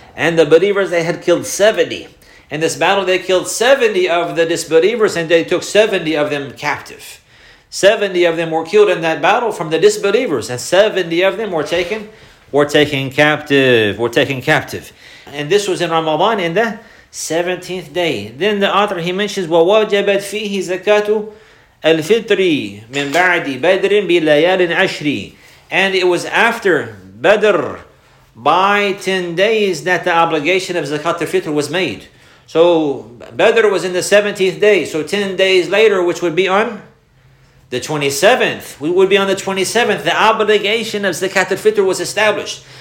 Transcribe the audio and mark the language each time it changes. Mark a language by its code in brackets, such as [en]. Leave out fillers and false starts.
[en] And the believers, they had killed 70. In this battle, they killed 70 of the disbelievers, and they took 70 of them captive. 70 of them were killed in that battle from the disbelievers, and 70 of them were taken captive. And this was in Ramadan, in the 17th day. Then the author, he mentions, [ar] وَوَجَبَتْ فِيهِ زَكَاتُ الْفِطْرِ مِنْ بَعْدِ بَدْرٍ بِلَيَالٍ عَشْرِ. [en] And it was after Badr, by 10 days, that the obligation of Zakat al-Fitr was made. So Badr was in the 17th day. So 10 days later, which would be on the 27th, we would be on the 27th, the obligation of Zakat al-Fitr was established.